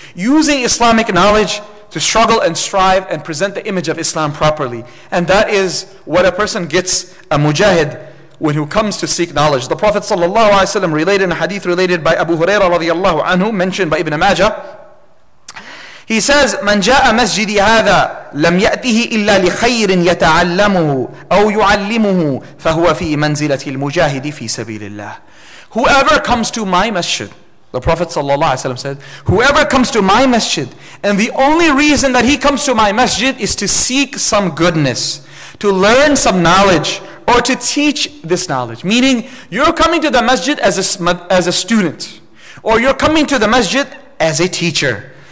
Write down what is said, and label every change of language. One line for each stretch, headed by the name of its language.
English: Using Islamic knowledge to struggle and strive and present the image of Islam properly. And that is what a person gets, a mujahid, when he comes to seek knowledge. The Prophet ﷺ related in a hadith related by Abu Huraira radiallahu anhu, mentioned by Ibn Majah.
Arabic: He says, من جاء مسجدي هذا لم يأته إلا لخير يتعلمه أو يعلمه فهو في منزلة المجاهد في سبيل الله.
English: Whoever comes to my masjid, the Prophet ﷺ said, whoever comes to my masjid, and the only reason that he comes to my masjid is to seek some goodness, to learn some knowledge, or to teach this knowledge. Meaning, you're coming to the masjid as a student, or you're coming to the masjid as a teacher.